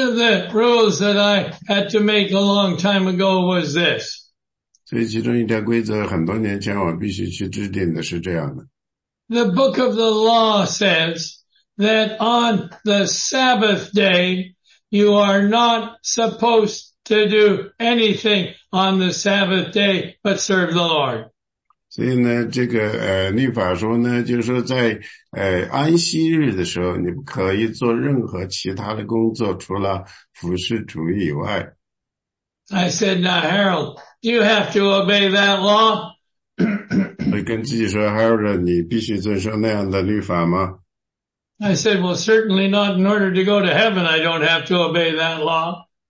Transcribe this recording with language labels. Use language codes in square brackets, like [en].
[en] of the rules that I had to make a long time ago was this. [zh] 所以其中一条规则,很多年前我必须去制定的是这样的。 [en] The book of the law says, that on the Sabbath day, you are not supposed to do anything on the Sabbath day but serve the Lord. [zh] 所以呢,这个,律法说呢,就是说在安息日的时候,你可以做任何其他的工作,除了服侍主义以外。 [en] I said, now Harold, do you have to obey that law? [zh] 跟自己说, Harold,你必须遵守那样的律法吗? [en] I said, well, certainly not in order to go to heaven. I don't have to obey that law.